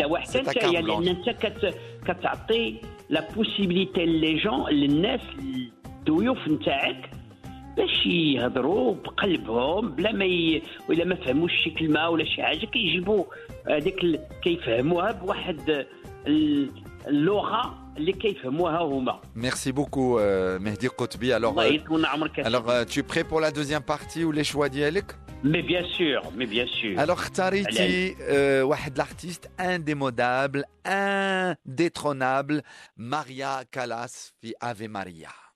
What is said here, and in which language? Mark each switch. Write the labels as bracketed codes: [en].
[ar] لا واحسن نتايا لان انت كتعطي لا بوسيبيليتي لي جون للناس الضيوف نتاعك باش يهضروا بقلبهم بلا ما ولا ما فهموش شي كلمه ولا شي حاجه كيجيبوا هذيك كيفهموها بواحد اللغه اللي كيفهموها هما. [fr] ميرسي بوكو مهدي قطبي. [ar] الوغ الله يطول عمرك. [fr] الوغ tu es prêt pour la deuxième partie ou les choix ديالك؟ مي بيان سور مي بيان سور. [ar] الوغ اختاريتي واحد لارتيست انديمودابل انديترونابل ماريا كالاس في افي ماريا.